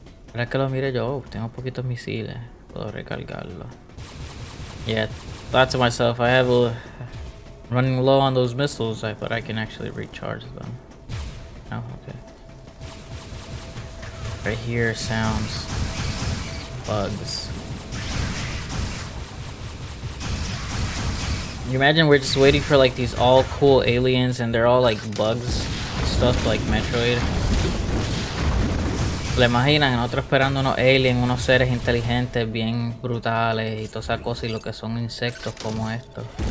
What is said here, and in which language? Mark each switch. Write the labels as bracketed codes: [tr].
[es] Ahora que lo mire yo, tengo poquitos misiles. Puedo recargarlo. [en] Yeah, thought to myself, I have a running low on those missiles, but I can actually recharge them. Oh, okay. I hear sounds, bugs. You imagine we're just waiting for like these all cool aliens and they're all like bugs, stuff like Metroid. [es] ¿Le imaginan? Nosotros esperando unos aliens, unos seres inteligentes, bien brutales y todas esas cosas y lo que son insectos como estos.